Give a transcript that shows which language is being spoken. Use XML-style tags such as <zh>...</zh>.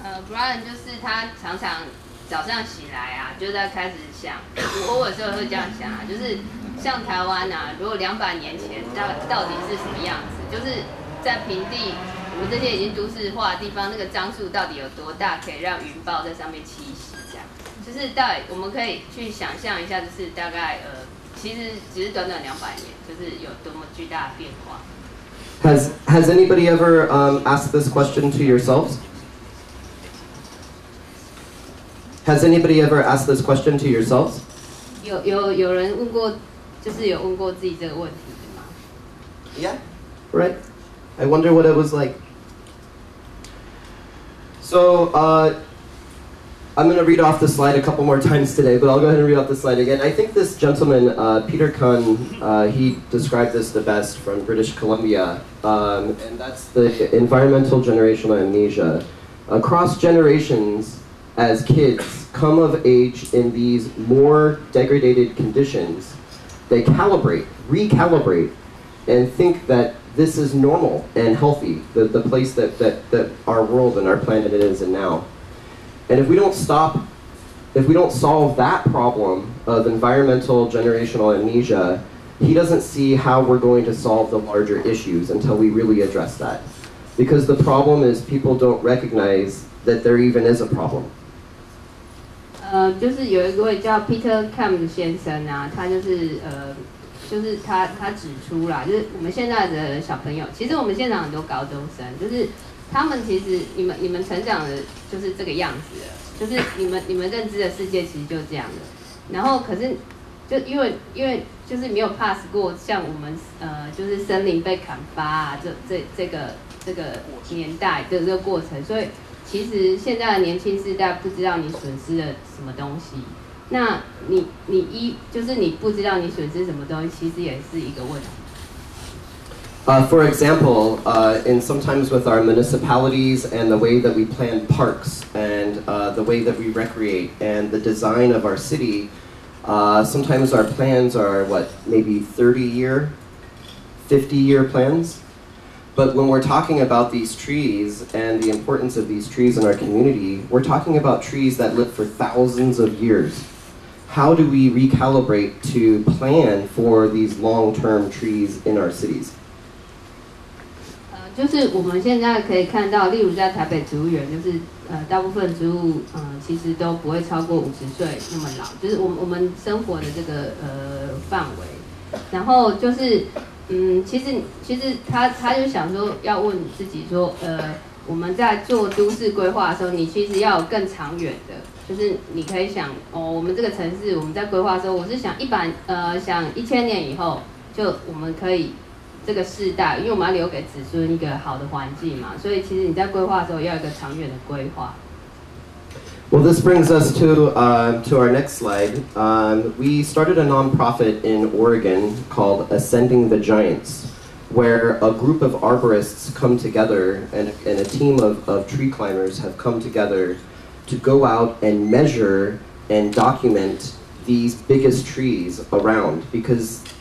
<zh>Brian 就是他常常早上醒来啊，就在开始想，我有时候会这样想啊，就是像台湾啊，如果200年前到底是什么样子，就是在平地我们这些已经都市化的地方，那个樟树到底有多大，可以让云豹在上面栖息？这样，就是到底我们可以去想象一下，就是大概其实只是短短200年，就是有多么巨大的变化。</zh> <en>Has anybody ever asked this question to yourselves? Has anybody ever asked this question to yourselves?</en> <zh>有人问过，就是有问过自己这个问题吗</zh> <en>？Yeah, right. I wonder what it was like. So, I'm going to read off the slide a couple more times today, but I'll go ahead and read off the slide again. I think this gentleman, Peter Kun, he described this the best from British Columbia, and that's the environmental generational amnesia. across generations as kids come of age in these more degraded conditions, they recalibrate, and think that this is normal and healthy, the place that our world and our planet is in now. And if we don't stop, if we don't solve that problem of environmental generational amnesia, he doesn't see how we're going to solve the larger issues until we really address that. Because the problem is people don't recognize that there even is a problem.</en> <zh>就是有一位叫 Peter Kamm 先生啊，他就是就是他指出啦，就是我们现在的小朋友，其实我们现场很多高中生，就是他们其实你们成长的就是这个样子了，就是你们认知的世界其实就这样的。然后可是就因为就是没有 pass 过像我们就是森林被砍伐啊，这个年代的这个过程，所以其实现在的年轻世代不知道你损失了什么东西，那你一就是你不知道你损失什么东西，其实也是一个问题。</zh> <en>For example, and sometimes with our municipalities and the way that we plan parks and the way that we recreate and the design of our city, sometimes our plans are what, maybe 30-year, 50-year plans. But when we're talking about these trees and the importance of these trees in our community, we're talking about trees that live for thousands of years. How do we recalibrate to plan for these long-term trees in our cities?</en> <zh>就是我们现在可以看到，例如在台北植物园，就是大部分植物其实都不会超过50岁那么老，就是我们生活的这个范围。然后就是其实他就想说要问自己说我们在做都市规划的时候，你其实要有更长远的，就是你可以想哦，我们这个城市我们在规划的时候，我是想想1000年以后就我们可以。这个世代，因为我们要留给子孙一个好的环境嘛，所以其实你在规划的时候要有一个长远的规划。</zh> <en>Well, this brings us to our next slide. We started a nonprofit in Oregon called Ascending the Giants, where a group of arborists come together and a team of tree climbers have come together to go out and measure and document these biggest trees around because.</en>